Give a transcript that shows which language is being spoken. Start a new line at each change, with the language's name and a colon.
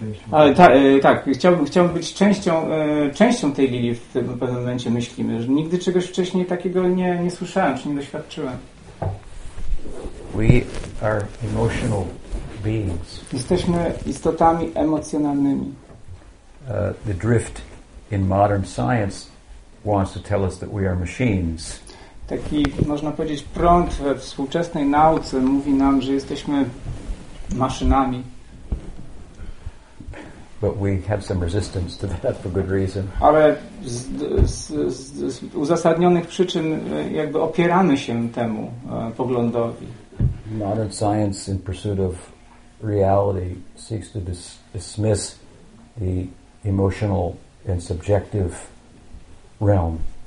Polish: Ale tak, chciałbym być częścią tej lili w pewnym momencie myślimy, że nigdy czegoś wcześniej takiego nie słyszałem czy nie doświadczyłem.
English: We are emotional beings.
Polish: Jesteśmy istotami emocjonalnymi.
English: The drift in modern science wants to tell us that we are machines.
Polish: Taki, można powiedzieć, prąd we współczesnej nauce mówi nam, że jesteśmy maszynami.
English: But we have some resistance to that for good reason.
Polish: Ale z uzasadnionych przyczyn jakby opieramy się temu poglądowi.
English: Modern science in pursuit of reality seeks to dismiss the emotional and subjective realm.